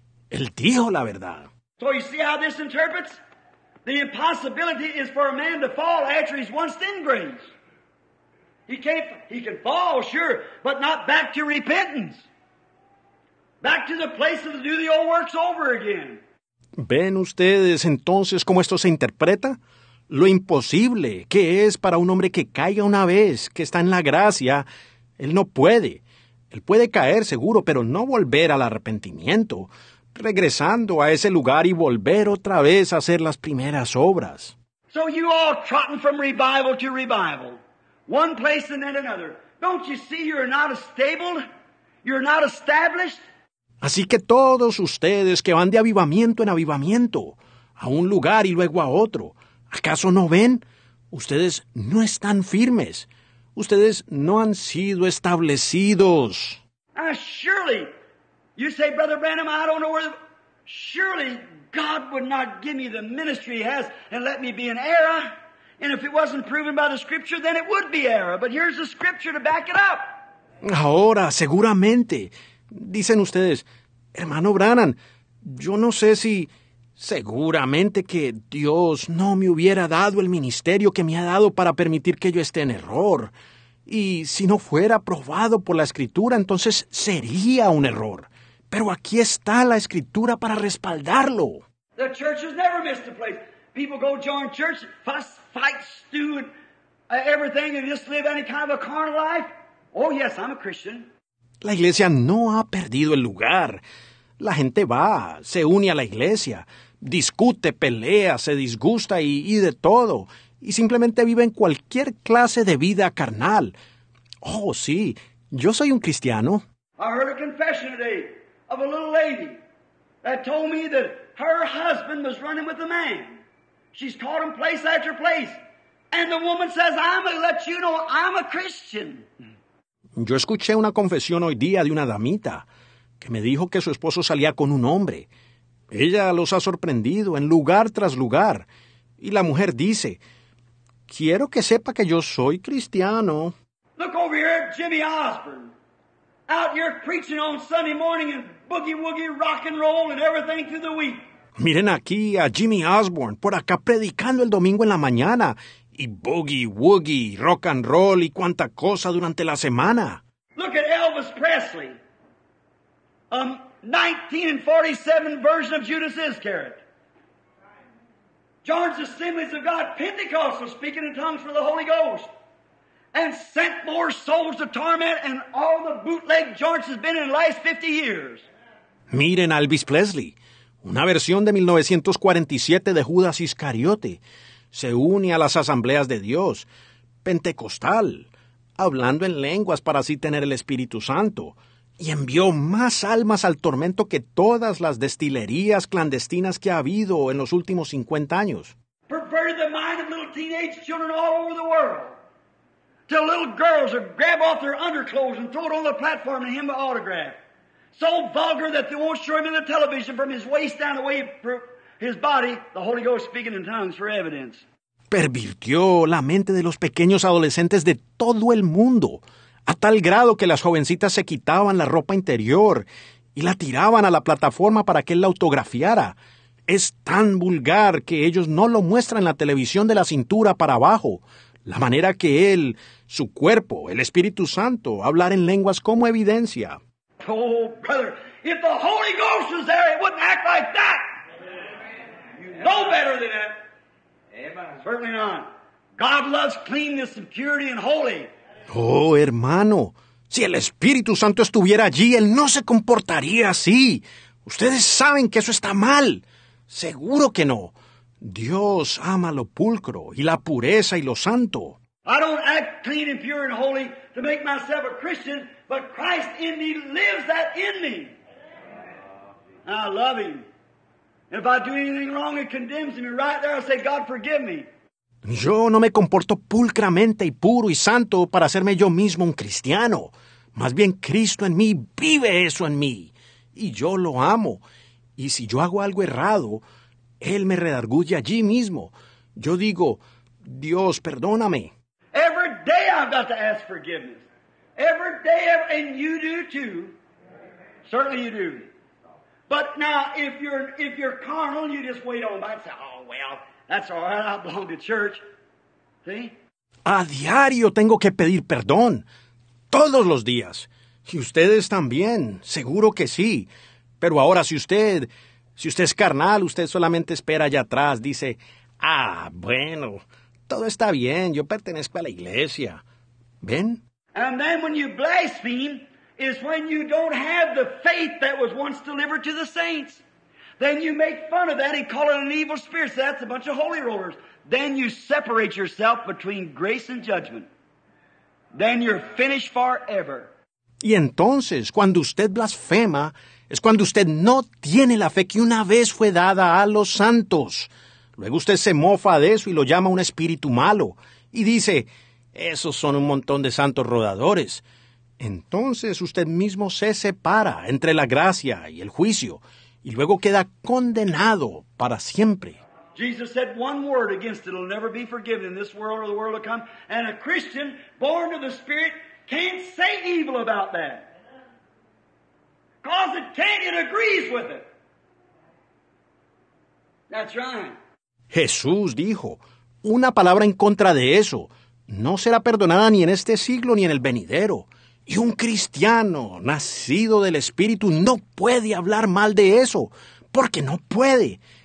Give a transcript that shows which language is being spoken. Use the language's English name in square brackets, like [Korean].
[Spanish] Él dijo la verdad. [English] So you see how this interprets? The impossibility is for a man to fall after he's once in grace. He can fall, sure, but not back to repentance. Back to the place to do the old works over again. [Spanish] ¿Ven ustedes entonces cómo esto se interpreta? Lo imposible que es para un hombre que caiga una vez que está en la gracia, él no puede. Él puede caer, seguro, pero no volver al arrepentimiento, regresando a ese lugar y volver otra vez a hacer las primeras obras. [English] So you all trotting from revival to revival, one place and then another. Don't you see you're not stable? You're not established? [Spanish] Así que todos ustedes que van de avivamiento en avivamiento, a un lugar y luego a otro, ¿acaso no ven? Ustedes no están firmes. Ustedes no han sido establecidos. [English] Surely, you say, Brother Branham, I don't know where... Surely, God would not give me the ministry he has and let me be in error. And if it wasn't proven by the Scripture, then it would be error. But here's the Scripture to back it up. [Spanish] Ahora, seguramente... Dicen ustedes, hermano Branham, yo no sé si seguramente que Dios no me hubiera dado el ministerio que me ha dado para permitir que yo esté en error. Y si no fuera probado por la Escritura, entonces sería un error. Pero aquí está la Escritura para respaldarlo. [English] The church has never missed a place. People go join church, fuss, fight, stew, and everything, and just live any kind of a carnal life. Oh, yes, I'm a Christian. [Spanish] La iglesia no ha perdido el lugar. La gente va, se une a la iglesia, discute, pelea, se disgusta y de todo. y simplemente viven cualquier clase de vida carnal. Oh, sí, yo soy un cristiano. [English] I heard a confession today of a little lady that told me that her husband was running with a man. She's caught him place after place. And the woman says, I'm going to let you know I'm a Christian. [Spanish] Yo escuché una confesión hoy día de una damita que me dijo que su esposo salía con un hombre. Ella los ha sorprendido en lugar tras lugar. Y la mujer dice, quiero que sepa que yo soy cristiano. [English] Look over here at Jimmy Osborne. Out here preaching on Sunday morning and boogie-woogie rock and roll and everything through the week. [Spanish] Miren aquí a Jimmy Osborne por acá predicando el domingo en la mañana. Y boogie-woogie, rock and roll y cuánta cosa durante la semana. [English] Look at Elvis Presley. 1947 version of Judas Iscariot. John's Assemblies of God Pentecostal speaking in tongues for the Holy Ghost. And sent more souls to torment and all the bootleg joints has been in the last 50 years. [Spanish] Miren Elvis Presley. Una versión de 1947 de Judas Iscariote. Se une a las asambleas de Dios. Pentecostal. Hablando en lenguas para así tener el Espíritu Santo. Y envió más almas al tormento que todas las destilerías clandestinas que ha habido en los últimos 50 años. [English] Perverted the mind of little teenage children all over the world. Till little girls would grab off their underclothes and throw it on the platform and hem an autograph. So vulgar that they won't show him in the television from his waist down away from his body, the Holy Ghost speaking in tongues for evidence. [Spanish] Pervirtió la mente de los pequeños adolescentes de todo el mundo, a tal grado que las jovencitas se quitaban la ropa interior y la tiraban a la plataforma para que él la autografiara. Es tan vulgar que ellos no lo muestran en la televisión de la cintura para abajo. La manera que él, su cuerpo, el Espíritu Santo, hablar en lenguas como evidencia. [English] Oh, brother, if the Holy Ghost was there, it wouldn't act like that. You know better than that. Certainly not. God loves cleanness and purity and holy. [Spanish] Oh, hermano, si el Espíritu Santo estuviera allí, él no se comportaría así. Ustedes saben que eso está mal. Seguro que no. Dios ama lo pulcro y la pureza y lo santo. [English] I don't act clean and pure and holy to make myself a Christian, but Christ in me lives that in me. And I love him. And if I do anything wrong, it condemns me. Right there I say, God, forgive me. [Spanish] Yo no me comporto pulcramente y puro y santo para hacerme yo mismo un cristiano. Más bien, Cristo en mí vive eso en mí. Y yo lo amo. Y si yo hago algo errado, Él me redarguye allí mismo. Yo digo, Dios, perdóname. [English] Every day I've got to ask forgiveness. Every day, and you do too. Certainly you do. But now, if you're carnal, you just wait on by and say, oh, well, that's all right, I belong to church. See? [Spanish] A diario tengo que pedir perdón. Todos los días. Y ustedes también, seguro que sí. Pero ahora, si usted es carnal, usted solamente espera allá atrás, dice, ah, bueno, todo está bien, yo pertenezco a la iglesia. ¿Ven? [English] And then when you blaspheme is when you don't have the faith that was once delivered to the saints. Then you make fun of that and call it an evil spirit. So that's a bunch of holy rollers. Then you separate yourself between grace and judgment. Then you're finished forever. [Spanish] Y entonces, cuando usted blasfema, es cuando usted no tiene la fe que una vez fue dada a los santos. Luego usted se mofa de eso y lo llama un espíritu malo. Y dice, esos son un montón de santos rodadores. Entonces usted mismo se separa entre la gracia y el juicio. Y luego queda condenado para siempre. [English] Jesus said one word against it. It'll never be forgiven in this world or the world to come. And a Christian born of the Spirit can't say evil about that. Because it can't, it agrees with it. That's right. [Spanish] Jesús dijo, una palabra en contra de eso no será perdonada ni en este siglo ni en el venidero. Y un cristiano nacido del Espíritu no puede hablar mal de eso, porque no puede.